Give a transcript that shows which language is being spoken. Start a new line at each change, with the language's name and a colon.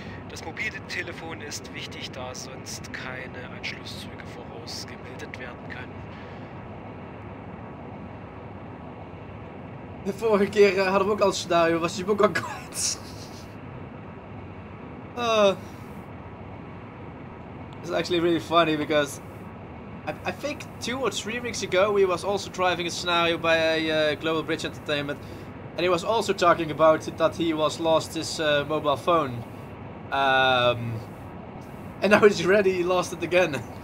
German: Das Mobiltelefon ist wichtig, da sonst keine Anschlusszüge vorausgebildet werden können.
Dutch: De vorige keer hadden we ook al scenario, was je boek al kwijt.
English: It's actually really funny because I think two or three weeks ago we was also driving a scenario by a Global Bridge Entertainment and he was also talking about it, that he was lost his mobile phone. And now he's ready, he lost it again.